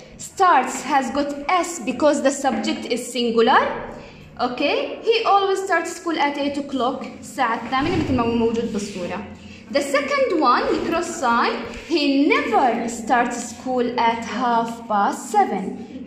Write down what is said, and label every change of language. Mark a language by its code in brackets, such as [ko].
[en] Starts has got S because the subject is singular. Okay? He always starts school at 8 o'clock. [ar] الساعة الثامنة مثل ما هو موجود بالصورة. [en] The second one, the cross sign, he never starts school at 7:30.